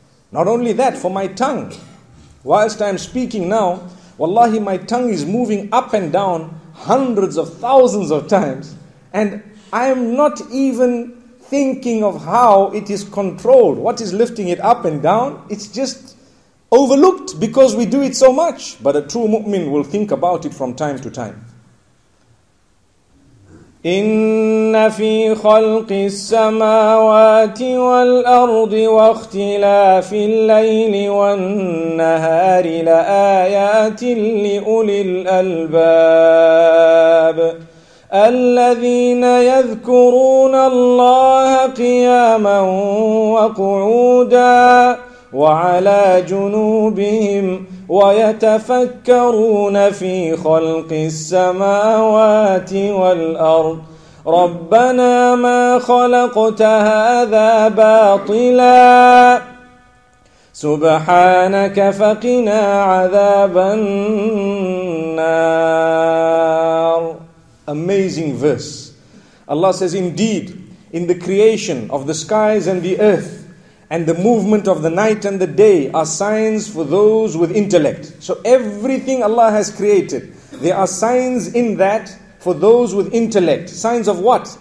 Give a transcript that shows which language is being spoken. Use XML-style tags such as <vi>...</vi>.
<en>Not only that, for my tongue. Whilst I'm speaking now, wallahi, my tongue is moving up and down hundreds of thousands of times. And I am not even thinking of how it is controlled. What is lifting it up and down? It's just overlooked because we do it so much. But a true mu'min will think about it from time to time.</en> <ar>إِنَّ فِي خَلْقِ السَّمَاوَاتِ وَالْأَرْضِ وَاخْتِلَافِ اللَّيْلِ وَالنَّهَارِ لَآيَاتٍ لِأُولِي الْأَلْبَابِ الذين يذكرون الله قياما وقعودا وعلى جنوبهم ويتفكرون في خلق السماوات والأرض ربنا ما خلقت هذا باطلا سبحانك فقنا عذاب النار.</ar> <en>Amazing verse. Allah says, indeed, in the creation of the skies and the earth and the movement of the night and the day are signs for those with intellect. So everything Allah has created, there are signs in that for those with intellect. Signs of what?</en>